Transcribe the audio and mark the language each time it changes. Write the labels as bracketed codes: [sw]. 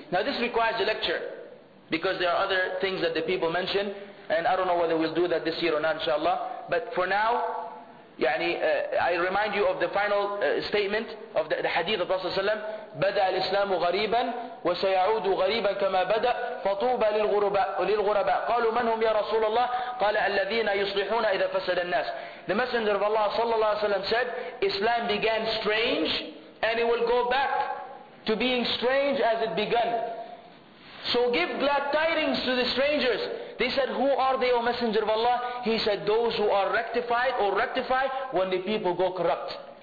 [en] Now this requires a lecture, because there are other things that the people mention, and I don't know whether we'll do that this year or not, inshallah. But for now, I remind you of the final statement of the hadith of Rasulullah ﷺ, [ar] بدأ الإسلام غريبا وسيعود غريبا كما بدأ فطوبى للغرباء. قالوا من هم يا رسول الله؟ قال الذين يصلحون إذا فسد الناس. [en] The Messenger of Allah [ar] صلى الله عليه وسلم [en] said, Islam began strange and it will go back to being strange as it began. So give glad tidings to the strangers. They said, who are they, O Messenger of Allah? He said, those who are rectified when the people go corrupt.